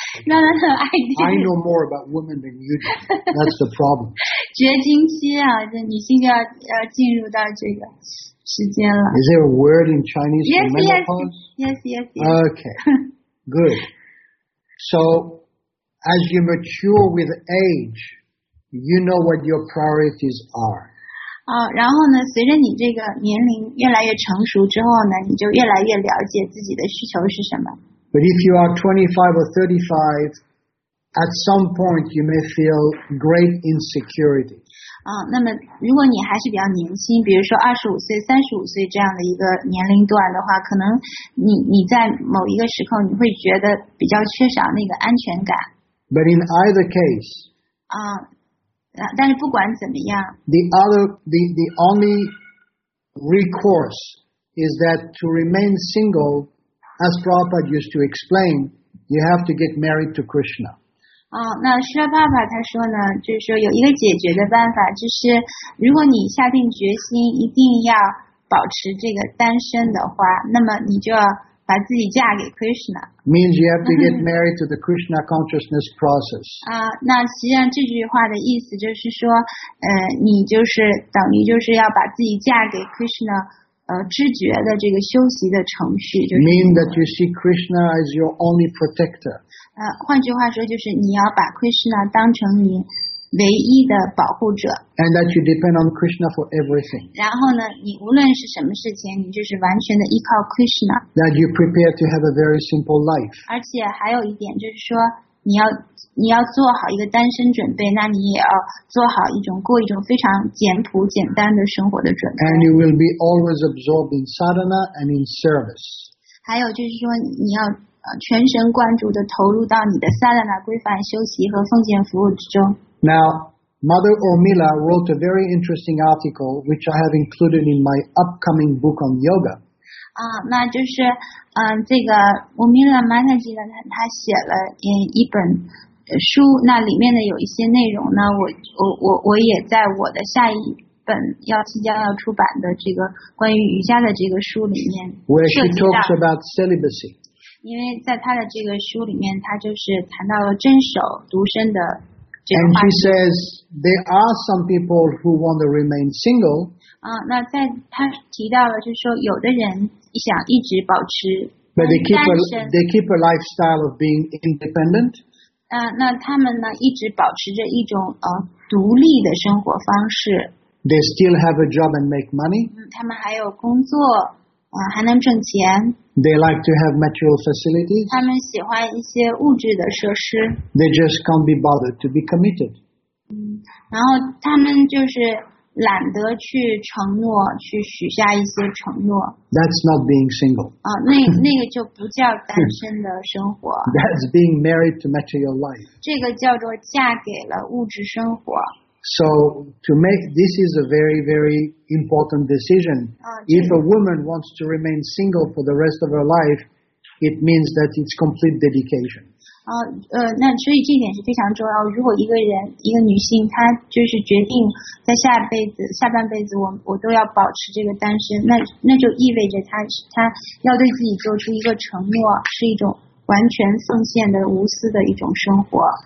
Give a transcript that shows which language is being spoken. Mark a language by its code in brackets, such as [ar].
[en] I know more about women than you do. That's the problem. [zh] 绝经期啊，这女性就要进入到这个时间了。 [en] Is there a word in Chinese for menopause? Yes. Okay. Good. So, as you mature with age, you know what your priorities are. [zh] 然后呢，随着你这个年龄越来越成熟之后呢，你就越来越了解自己的需求是什么。 [en] But if you are 25 or 35, at some point you may feel great insecurity. [zh] 那么如果你还是比较年轻，比如说25岁、35岁这样的一个年龄段的话，可能你在某一个时刻你会觉得比较缺少那个安全感。 [en] But in either case, [zh] 但是不管怎么样 [en] the only recourse is that to remain single, as Prabhupada used to explain, you have to get married to Krishna. [zh] 那释迦牟尼他说呢，就是说有一个解决的办法，就是如果你下定决心一定要保持这个单身的话，那么你就要把自己嫁给 Krishna. [en] Means you have to get married to the Krishna consciousness process. [zh] 那实际上这句话的意思就是说，你就是等于就是要把自己嫁给 Krishna， 知觉的这个修习的程序。就是、 [en] mean that you see Krishna as your only protector. [zh] 换句话说就是你要把 Krishna 当成你唯一的保护者。 [en] And that you depend on Krishna for everything. [zh] 然后呢，你无论是什么事情，你就是完全的依靠 Krishna. [en] That you prepare to have a very simple life. [zh] 而且还有一点就是说，你要做好一个单身准备，那你也要做好一种过一种非常简朴简单的生活的准备。 [en] And you will be always absorbed in sadhana and in service. [zh] 还有就是说，你要全神贯注的投入到你的 sadhana 规范修习和奉献服务之中。 [en] Now, Mother Urmila wrote a very interesting article, which I have included in my upcoming book on yoga. [zh] 那就是，这个 Urmila Mataji 呢，她写了一本书，那里面的有一些内容呢，我也在我的下一本要即将要出版的这个关于瑜伽的这个书里面涉及到。 [en] Where she talks about celibacy. [zh] 因为在她的这个书里面，她就是谈到了真守独身的。 [en] And she says there are some people who want to remain single. [zh] 那在他提到了，就是说有的人想一直保持单身。 [en] But they keep a lifestyle of being independent. [zh] 那他们呢一直保持着一种独立的生活方式。 [en] They still have a job and make money. [zh] 他们还有工作，还能挣钱。 [en] They like to have material facilities. [zh] 他们喜欢一些物质的设施。 [en] They just can't be bothered to be committed. [zh] 然后他们就是懒得去承诺，去许下一些承诺。 [en] That's not being single. [zh] 那个就不叫单身的生活。 [en] That's being married to material life. [zh] 这个叫做嫁给了物质生活。 [en] So to make this is a very very important decision. If a woman wants to remain single for the rest of her life, it means that it's complete dedication. [zh] 那所以这点是非常重要。如果一个女性，她就是决定在下半辈子我都要保持这个单身，那就意味着她要对自己做出一个承诺，是一种完全奉献的无私的一种生活。